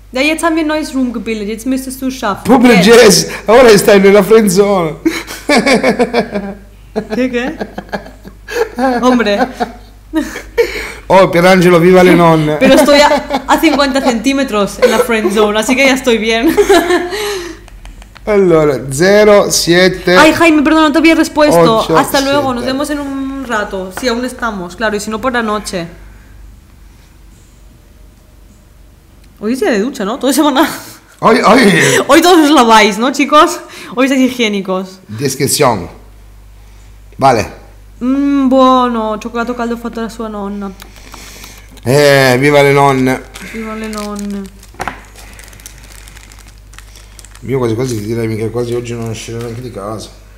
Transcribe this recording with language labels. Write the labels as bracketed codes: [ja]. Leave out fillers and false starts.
[de] Ja, jetzt haben wir ein neues Room gebildet. Jetzt müsstest du es schaffen. [es] Puppe Jess, ahora está en la friendzone. ¿Qué? Hombre. [it] Oh, Pierangelo, viva le nonne. [es] Pero estoy a 50 centímetros en la friendzone, así que ya estoy bien. [it] Allora, 0, 7. [es] Ay, Jaime, perdón, no te había respuesto. 8, hasta 7. Luego, nos vemos en un rato. Si sí, aún estamos, claro, y si no por la noche. Hoy es día de ducha, ¿no? Toda semana. Hoy. Hoy todos os laváis, ¿no, chicos? Hoy estáis higiénicos. Descripción. Vale. [it] Buono, cioccolato caldo fatto da sua nonna. Viva le nonne. Viva le nonne. Io quasi ti direi che quasi oggi non uscirò neanche di casa.